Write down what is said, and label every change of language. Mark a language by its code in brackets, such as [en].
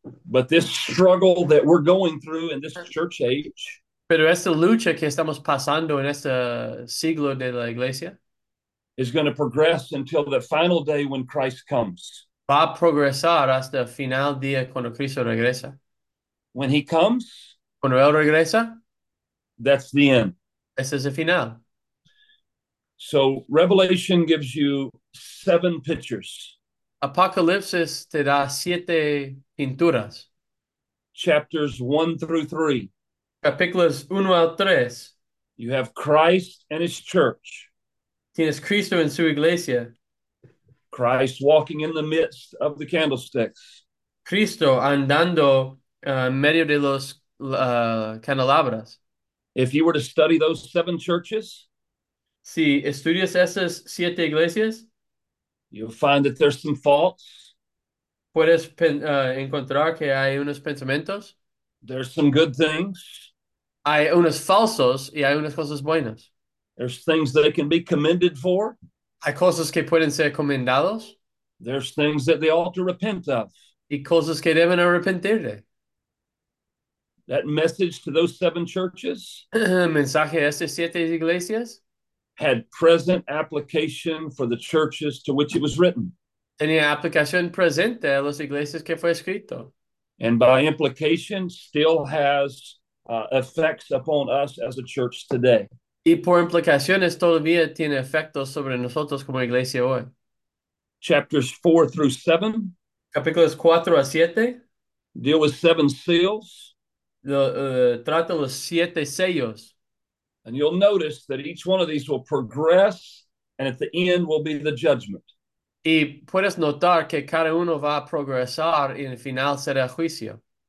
[en] But this struggle that we're going through in this church age [es] Pero esta lucha que estamos pasando en este siglo de la iglesia. [en] is going to progress until the final day when Christ comes. [es] Va a progresar hasta el final día cuando Cristo regresa. [en] When he comes, [es] cuando él regresa, [en] that's the end. [es] Ese es el final. [en] So Revelation gives you seven pictures. [es] Apocalipsis te da siete pinturas. [en] Chapters 1 through 3. [es] Capítulos 1 al 3. [en] You have Christ and his church. [es] Tienes Cristo en su iglesia. [en] Christ walking in the midst of the candlesticks. [es] Cristo andando en medio de los candelabras. [en] If you were to study those seven churches, [es] si estudias esas siete iglesias, [en] you'll find that there's some faults. [es] Puedes encontrar que hay unos pensamientos. [en] There's some good things. [es] Hay unos falsos y hay unas cosas buenas. [en] There's things that it can be commended for. [es] Hay cosas que pueden ser comendados. [en] There's things that they ought to repent of. [es] Y cosas que deben arrepentir de. [en] That message to those seven churches [es] mensaje a estas siete iglesias [en] had present application for the churches to which it was written. [es] Tenía aplicación presente a las iglesias que fue escrito. [en] And by implication, still has effects upon us as a church today. [es] Y por implicaciones todavía tiene efectos sobre nosotros como iglesia hoy. [en] Chapters 4 through 7. [es] Capítulos 4 a 7. [en] Deal with seven seals. [es] Trata los siete sellos. [en] And you'll notice that each one of these will progress, and at the end will be the judgment. [es] Y puedes notar que cada uno va a progresar y en el final será el juicio.